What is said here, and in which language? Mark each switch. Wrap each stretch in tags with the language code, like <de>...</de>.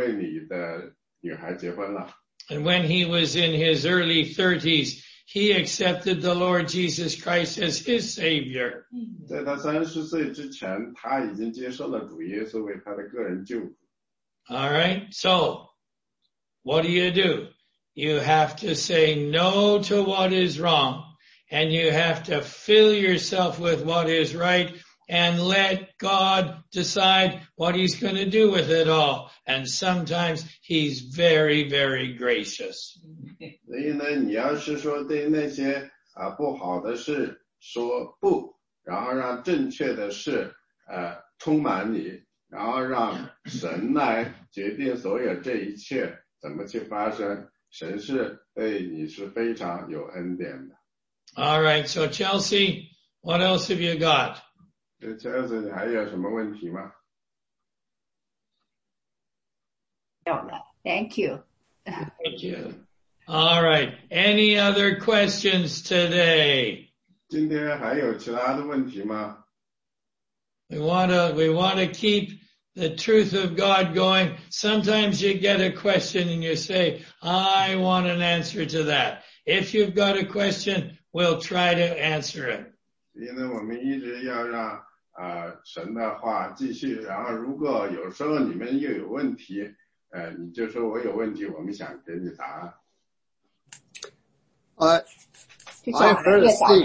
<zh>他的哥哥跟他年龄一样，他跟那个同样在那个基督徒的一个聚会里的女孩结婚了。</zh> <en>And when he was in his early 30s, he accepted the Lord Jesus Christ as his Savior.</en> <zh>在他30岁之前，他已经接受了主耶稣为他的个人救主。</zh> <en>All right, so what do you do? You have to say no to what is wrong, and you have to fill yourself with what is right, and let God decide what he's going to do with it all. And sometimes he's very, very gracious.</en> <zh>所以呢，你要是说对那些不好的事说不，然后让正确的事充满你，然后让神来决定所有这一切怎么去发生，神是对你是非常有恩典的。</zh> <en>All right, so Chelsea, what else have you got?</en> <zh>Chelsea, 你还有什么问题吗？</zh> <en>Thank you. Thank you. All right. Any other questions today?</en> <zh>今天还有其他的问题吗？</zh> <en>We want to keep the truth of God going. Sometimes you get a question and you say, I want an answer to that. If you've got a question, we'll try to answer it.</en> <zh>因为我们一直要让神的话继续，然后如果有时候你们又有问题，你就说我有问题，我们想给你答案。</zh> <en>I heard a saying.</en>